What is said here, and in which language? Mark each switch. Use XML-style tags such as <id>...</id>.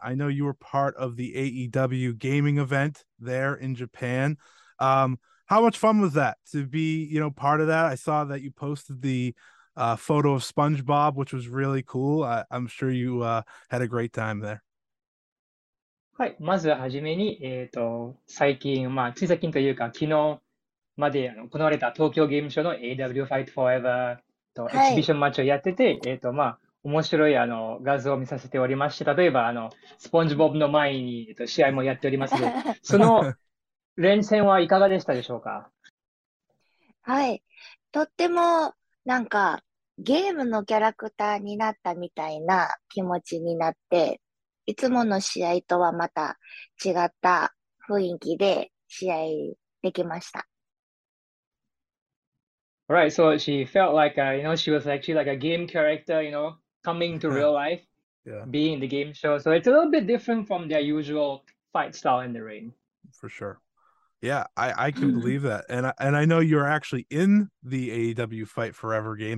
<en>I know you were part of the AEW gaming event there in Japan. How much fun was that to be, you know, part of that? I saw that you posted the photo of SpongeBob, which was really cool. I'm sure you had a great time there.</en> <ja>はい、まずはじめに、最近、まあ、つい最近というか、昨日まで行われた東京ゲームショーの AW Fight Forever と、はい、エキシビションマッチをやってて、まあ、面白いあの画像を見させておりまして、例えばあのスポンジボブの前に、試合もやっておりますので、その連戦はいかがでしたでしょうか。はい、とってもなんかゲームのキャラクターになったみたいな気持ちになって、いつもの試合とはまた違った雰囲気で試合できました。</ja> <en>Right, so she felt like, you know, she was actually like a game character, you know, coming to real life, being the game show. So it's a little bit different from their usual fight style in the ring. For sure. Yeah, I can believe that. And I know you're actually in the AEW Fight Forever game.</en>